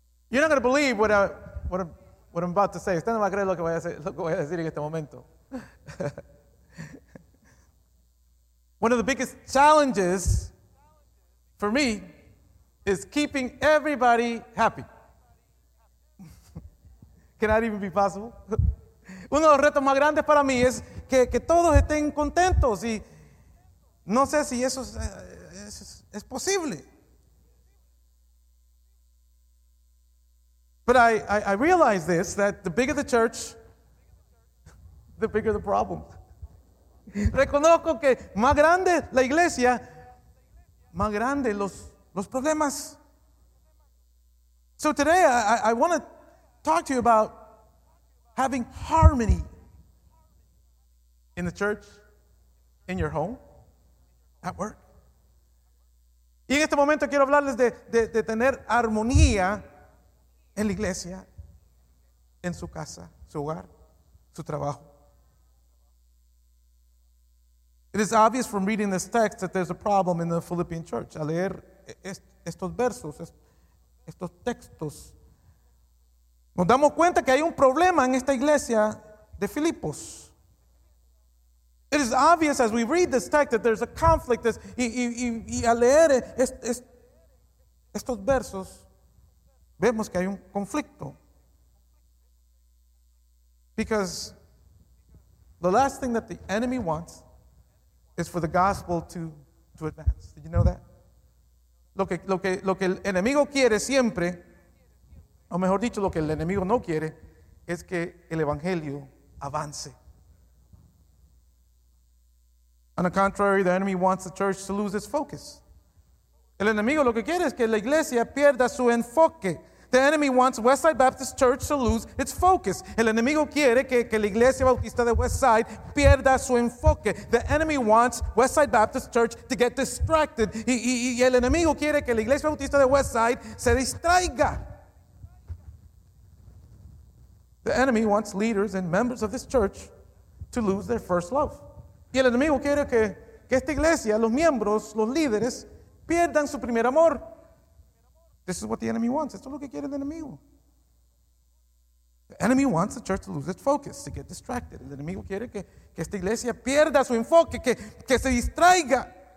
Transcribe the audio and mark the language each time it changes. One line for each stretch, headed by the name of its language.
English: You're not going to believe what I'm about to say.
Spanish: Usted no va a creer lo que voy a decir en este momento.
English: One of the biggest challenges for me is keeping everybody happy. Can that even be possible?
Spanish: Uno de los retos más grandes para mí es que todos estén contentos, y no sé si eso es posible.
English: But I realize this, that the bigger the church, the bigger the problem.
Spanish: Reconozco que más grande la iglesia, más grande los problemas.
English: So today I want to talk to you about having harmony in the church, in your home, at work.
Spanish: Y en este momento quiero hablarles de tener armonía en la iglesia, en su casa, su hogar, su trabajo.
English: It is obvious from reading this text that there's a problem in the Philippian church.
Spanish: Al leer estos versos, estos textos, nos damos cuenta que hay un problema en esta iglesia de Filipos.
English: It is obvious as we read this text that there's a conflict.
Spanish: Y al leer estos versos, vemos que hay un conflicto.
English: Because the last thing that the enemy wants is for the gospel to advance. Did you know that?
Spanish: Lo que el enemigo quiere siempre, o mejor dicho, lo que el enemigo no quiere, es que el evangelio avance.
English: On the contrary, the enemy wants the church to lose its focus.
Spanish: El enemigo lo que quiere es que la iglesia pierda su enfoque.
English: The enemy wants Westside Baptist Church to lose its focus.
Spanish: El enemigo quiere que la iglesia bautista de Westside pierda su enfoque.
English: The enemy wants Westside Baptist Church to get distracted.
Spanish: Y el enemigo quiere que la iglesia bautista de Westside se distraiga.
English: The enemy wants leaders and members of this church to lose their first love.
Spanish: Y el enemigo quiere que esta iglesia, los miembros, los líderes, pierdan su primer amor.
English: This is what the enemy wants.
Spanish: Esto es lo que quiere el enemigo.
English: The enemy wants the church to lose its focus, to get distracted.
Spanish: El enemigo quiere que esta iglesia pierda su enfoque, que se distraiga.